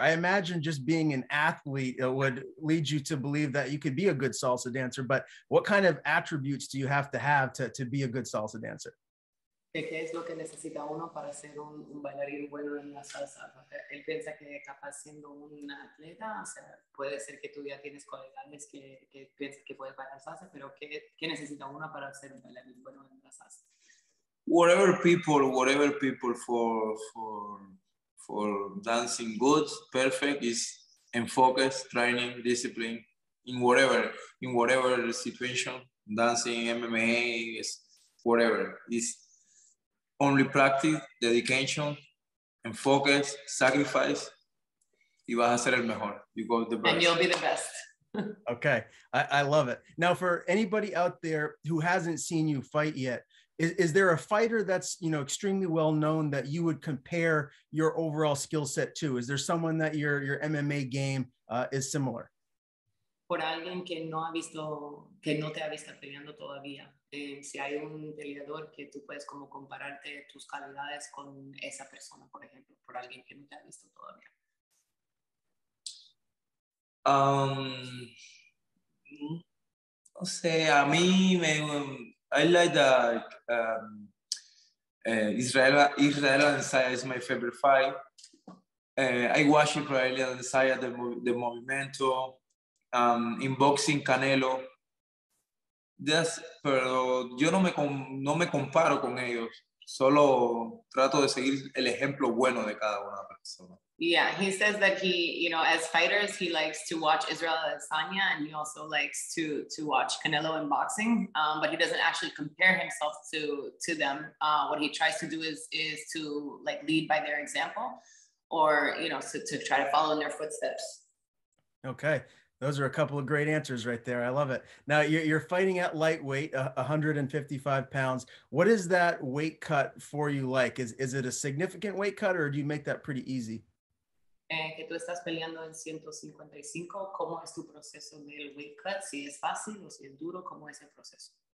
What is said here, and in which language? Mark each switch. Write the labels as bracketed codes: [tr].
[en] I imagine just being an athlete it would lead you to believe that you could be a good salsa dancer, but what kind of attributes do you have to be a good salsa dancer? [es] de qué es lo que necesita uno para ser un bailarín bueno en la salsa. Él piensa que capaz siendo un atleta, o sea, puede ser que tú ya tienes cualidades que piensas que puedes bailar salsa, pero ¿qué necesita uno para ser un bailarín bueno en la salsa? [en] Whatever people for dancing good, perfect, is in focus, training, discipline, in whatever situation, dancing, MMA, is whatever. It's only practice, dedication, and focus, sacrifice, [es] y vas a ser el mejor. [en] You go the best. And you'll be the best. Okay, I love it. Now, for anybody out there who hasn't seen you fight yet, is there a fighter that's, you know, extremely well known that you would compare your overall skill set to? Is there someone that your MMA game is similar? [es] Por alguien que no ha visto, que no te ha visto peleando todavía. Si hay un peleador que tú puedes como compararte tus calidades con esa persona, por ejemplo, por alguien que no te ha visto todavía. No sé, a mí me... [en] I like the Israel Adesanya is my favorite fight. I watch Israel Adesanya, the movimiento, in boxing Canelo. [es] That's, pero yo no me comparo con ellos. Solo trato de seguir el ejemplo bueno de cada una persona. [en] Yeah, he says that he, you know, as fighters, he likes to watch Israel Adesanya, and he also likes to watch Canelo in boxing, but he doesn't actually compare himself to them. What he tries to do is to, like, lead by their example, or, you know, to try to follow in their footsteps. Okay, those are a couple of great answers right there. I love it. Now, you're fighting at lightweight, 155 pounds. What is that weight cut for you like? Is it a significant weight cut, or do you make that pretty easy? [es] Que tú estás peleando en 155, ¿cómo es tu proceso del weight cut? Si es fácil o si es duro, ¿cómo es el proceso?